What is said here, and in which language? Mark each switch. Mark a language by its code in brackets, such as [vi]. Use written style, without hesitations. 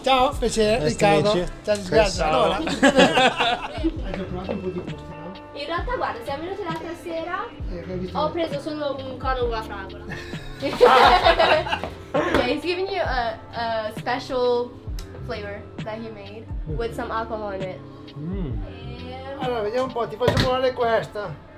[it] Ciao, piacere, nice Riccardo. Ciao, Riccardo. In realtà, guarda, siamo venuti l'altra sera. Ho preso solo un cono con la fragola. [en] Yeah, he's giving you a special flavor that he made with some alcohol in it. [it] Allora, vediamo un po', ti faccio provare questa.